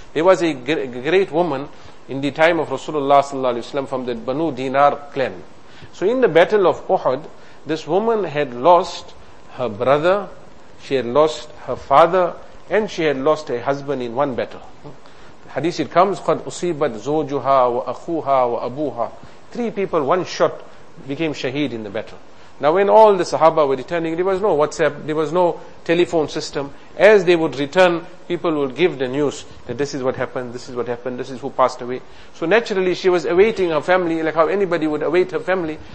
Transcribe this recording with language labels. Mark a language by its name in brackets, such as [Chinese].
[English] There was a great woman in the time of Rasulullah sallallahu alayhi wa sallam from the Banu Dinar clan. So in the battle of Uhud, this woman had lost her brother, she had lost her father, and she had lost her husband in one battle. Hadith it comes, [Arabic] قَدْ أُصِيبَتْ زَوْجُهَا وَأَخُوهَا وَأَبُوهَا. [English] Three people, one shot, became shaheed in the battle. Now when all the Sahaba were returning, there was no WhatsApp, there was no telephone system. As they would return, people would give the news that this is what happened, this is what happened, this is who passed away. So naturally she was awaiting her family like how anybody would await her family.